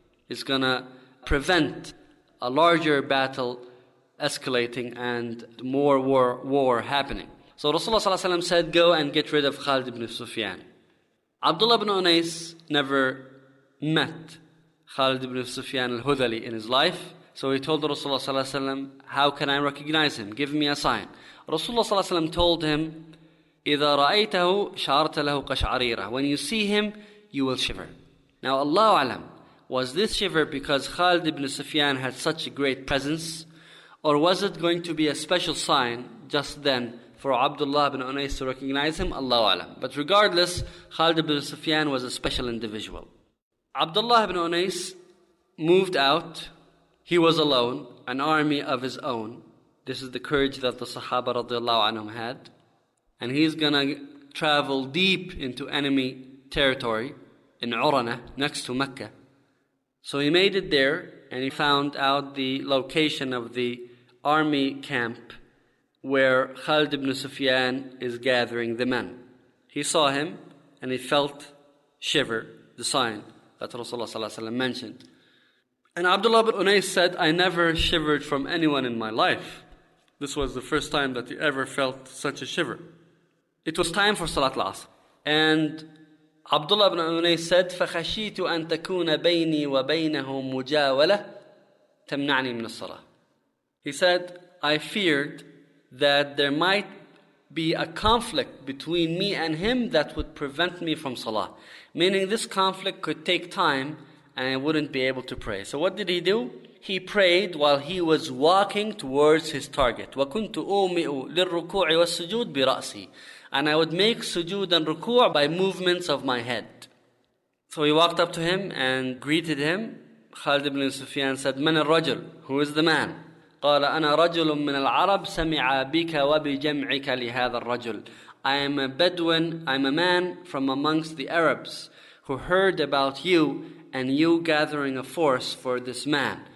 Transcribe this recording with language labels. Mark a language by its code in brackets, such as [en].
[en] It's going to prevent a larger battle escalating and more war happening. So Rasulullah ﷺ said, go and get rid of Khalid ibn Sufyan. Abdullah ibn Unais never met Khalid ibn Sufyan al-Hudali in his life. So he told Rasulullah ﷺ, how can I recognize him? Give me a sign. Rasulullah ﷺ told him, [ar] إِذَا رَأَيْتَهُ شَعَرْتَ لَهُ قَشْعَرِيرَهُ. [en] When you see him, you will shiver. Now Allahu alam, was this shiver because Khalid ibn Sufyan had such a great presence? Or was it going to be a special sign just then for Abdullah ibn Unais to recognize him? Allahu alam. But regardless, Khalid ibn Sufyan was a special individual. Abdullah ibn Unais moved out. He was alone, an army of his own. This is the courage that the Sahaba radiallahu anhum had. And he's going to travel deep into enemy territory in Urana, next to Mecca. So he made it there, and he found out the location of the army camp where Khalid ibn Sufyan is gathering the men. He saw him, and he felt shiver, the sign that Rasulullah ﷺ mentioned. And Abdullah ibn Unais said, I never shivered from anyone in my life. This was the first time that he ever felt such a shiver. It was time for Salat al-Asr. And Abdullah ibn Unais said, [ar] فَخَشِيتُ أَن تَكُونَ بَيْنِي وَبَيْنَهُمْ مُجَاوَلَةً تَمْنَعْنِي مِنَ الصَّلَةِ. [en] He said, I feared that there might be a conflict between me and him that would prevent me from Salah. Meaning this conflict could take time and I wouldn't be able to pray. So what did he do? He prayed while he was walking towards his target. [ar] وَكُنْتُ أُومِئُ لِلْرُكُوعِ وَالسُّجُودِ بِرَأْسِي. [en] And I would make sujood and ruku' by movements of my head. So he walked up to him and greeted him. Khalid ibn Sufyan said, [ar] من الرجل? [en] Who is the man? [ar] قال أنا رجل من العرب سمع بك وبجمعك لهذا الرجل. [en] I am a Bedouin, I'm a man from amongst the Arabs who heard about you and you gathering a force for this man.